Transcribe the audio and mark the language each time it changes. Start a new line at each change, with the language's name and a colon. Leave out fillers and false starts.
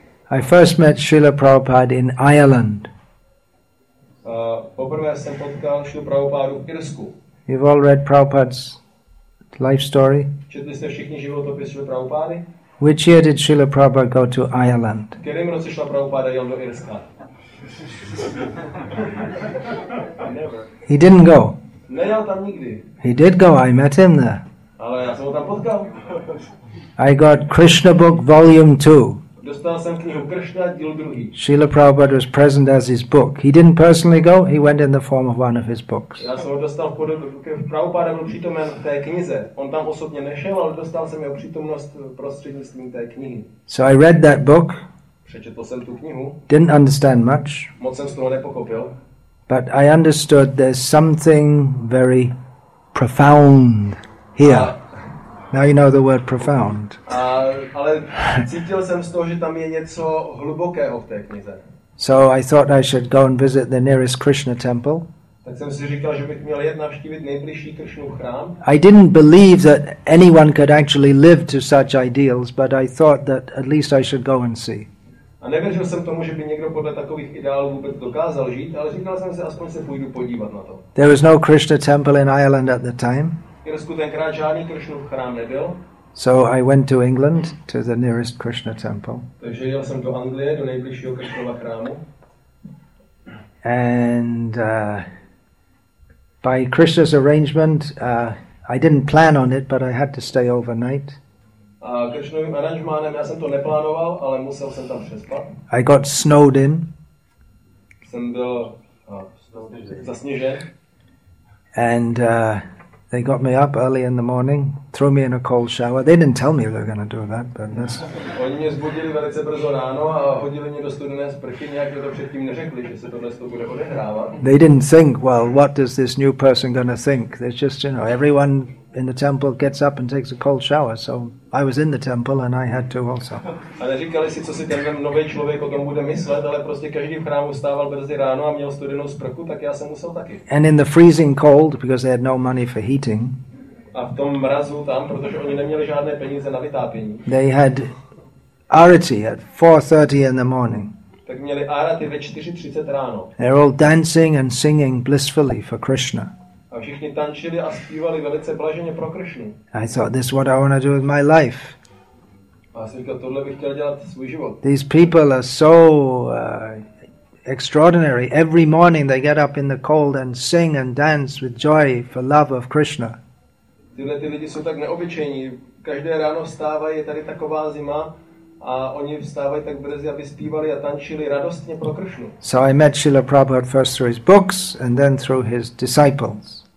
English: I first met Srila Prabhupada in Ireland.
Czech: Poprvé jsem potkal Srila Prabhupádu v Irsku.
English: You've all read Prabhupada's life story?
Czech: Četli jste všichni životopis Srila Prabhupády?
English: Which year did Srila Prabhupada go to Ireland?
Czech: V kterém roce Srila Prabhupada jel do Irska?
English: He didn't go.
Czech: Nejel tam nikdy.
English: He did go. I met him there.
Czech: Ale já jsem ho tam potkal.
English: I got Krishna book volume 2.
Czech: Dostal jsem knihu Krishna díl druhý.
English: Srila Prabhupada was present as his book. He didn't personally go. He went in the form of one of his books.
Czech: Já jsem ho dostal v podobě. Prabhupada byl přítomen v té knize. On tam osobně nešel, ale dostal jsem jeho přítomnost prostřednictvím té knihy.
English: So I read that book.
Czech: Přečetl jsem tu knihu.
English: Didn't understand much.
Czech: Moc jsem z toho nepochopil.
English: But I understood there's something very profound here. Now you know the word profound.
Czech: Ale cítil jsem z toho, že tam je něco hlubokého v té knize.
English: So I thought I should go and visit the nearest Krishna temple.
Czech: Tak jsem si říkal, že bych měl jít navštívit nejbližší Kršnův chrám.
English: I didn't believe that anyone could actually live to such ideals, but I thought that at least I should go and see.
Czech: A nevěřil jsem tomu, že by někdo podle takových ideálů vůbec dokázal žít, ale říkal jsem si, aspoň se půjdu podívat na to.
English: There was no Krishna temple in Ireland at the time.
Czech: V Irsku tenkrát žádný Kršnův chrám nebyl.
English: So I went to England to the nearest Krishna temple.
Czech: Takže jel jsem do Anglie do nejbližšího Kršnova chrámu.
English: And by Krishna's arrangement, I didn't plan on it, but I had to stay overnight.
Czech: A Krishnovým aranžmánem já jsem to neplánoval, ale musel jsem tam přespat.
English: I got snowed in.
Czech: Jsem byl zasněžen.
English: And they got me up early in the morning, threw me in a cold shower. They didn't tell me they were going to do that, but that's...
Czech: Oni mě zbudili velice brzo ráno a hodili mě do studené sprchy, nějak to předtím neřekli, že se tohle z toho bude odehrávat.
English: They didn't think, well, what is this new person going to think? They're just, you know, everyone in the temple gets up and takes a cold shower, so I was in the temple and I had to also.
Czech: A neříkali si, co si ten nový člověk o tom bude myslet, ale prostě každý v chrámu stával brzy ráno a měl studenou sprchu, tak já jsem musel taky.
English: And in the freezing cold, because they had no money for heating.
Czech: A v tom mrazu tam, protože oni neměli žádné peníze na vytápění.
English: They had arati at 4:30 in the morning.
Czech: Tak měli arati ve 4:30 ráno.
English: They're all dancing and singing blissfully for Krishna.
Czech: A všichni tančili a zpívali velice blaženě pro Krishnu.
English: I thought, this is what I want to do with my life.
Czech: A jsem říkal, tohle bych chtěl dělat svůj život.
English: These people are so extraordinary. Every morning they get up in the cold and sing and dance with joy for love of Krishna.
Czech: Tyhle ty lidi jsou tak neobyčejní. Každé ráno vstávají, je tady taková zima a oni vstávají tak brzy, aby zpívali a tančili radostně pro Krishnu.
English: So I met Srila Prabhupada first through his books and then through his disciples.